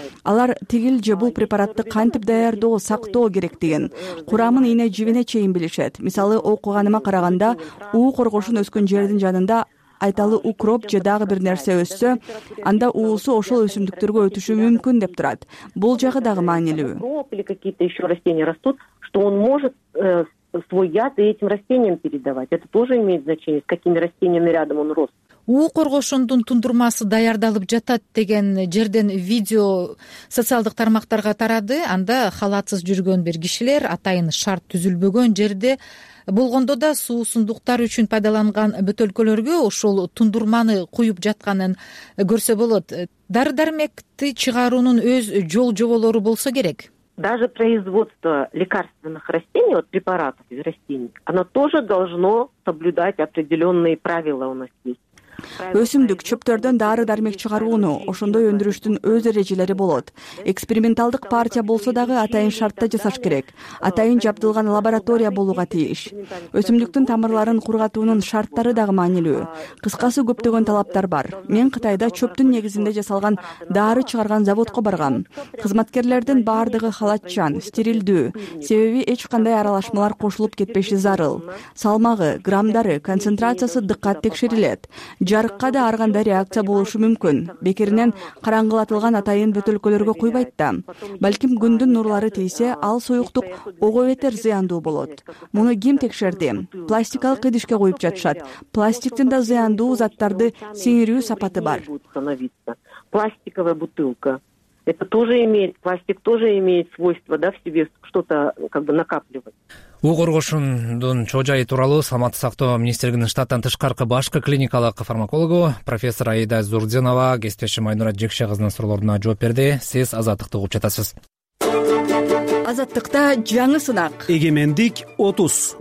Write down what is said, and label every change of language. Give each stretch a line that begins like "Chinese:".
Kyrgyz: Алар тигил же бул препаратты кантип даярдоо, сактоо керектигин, курамын ийне жибине чейин билишет. Мисалы, окуганыма караганда, уу коргошун өскөн жердин жанында айталы укроп же дагы бир нерсе өссө, анда уусу ошол өсүмдүктөргө өтүшү мүмкүн деп турат. Бул жагы дагы маанилүү.
Russian: Укроп или какие-то еще растения растут, что он может свой яд и этим растениям передавать. Это тоже имеет значение, с какими растениями рядом он рос.
Kyrgyz: Уу коргошундун тундурмасы даярдалып жатат деген жерден видео социалдык тармактарга тарады. Анда халатсыз жүргөн бир кишилер атайын шарт түзүлбөгөн жерде болгондо да суусундуктар үчүн пайдаланган бөтөлкөлөргө ошол тундурманы куюп жатканын көрсө болот. Дары дармекти чыгаруунун өз жол жоболору болсо керек.
Russian: Даже производство лекарственных растений, вот препаратов из растений, оно тоже должно соблюдать определенные правила у нас есть.
Kyrgyz: Өсүмдүк чөптөрдөн дары дармек чыгарууну ошондой өндүрүштүн өз эрежелери болот. Эксперименталдык партия болсо дагы атайын шартта жасаш керек. Атайын жабдылган лаборатория болууга тийиш. Өсүмдүктүн тамырларын кургатуунун шарттары дагы маанилүү. Кыскасы, көптөгөн талаптар бар. Мен Кытайда чөптүн негизинде жасалган дары чыгарган заводко баргам. Кызматкерлердин баардыгы халатчан, стерилдүү, себеби эч кандай аралашмалар кошулуп кетпеши зарыл. Салмагы, граммдары, концентрациясы дыккат текшерилет. Жарыкка да ар кандай реакция болушу мүмкүн. Бекеринен караңгылатылган атайын бөтөлкөлөргө куйбайт да. Балким күндүн нурлары тийсе, ал суюктук ого бетер зыяндуу болот. Муну ким текшерди? Пластикалык идишке куюп жатышат. Пластиктин да зыяндуу заттарды сиңирүү сапаты бар.
Russian: Пластиковая бутылка. Это тоже имеет, пластик тоже имеет свойство, да, в себе что-то как бы накапливать.
Kyrgyz: Уу коргошундун чоожайы тууралуу саламаттык сактоо министрлигинин штаттан тышкаркы башкы клиникалык фармакологу профессор Аида Зурдзинова кесиптешим Айнура Жекше кызынын суроолоруна жооп берди. Сиз азаттыкты угуп жатасыз. Азаттыкта жаңы сынак. Эгемендик 30.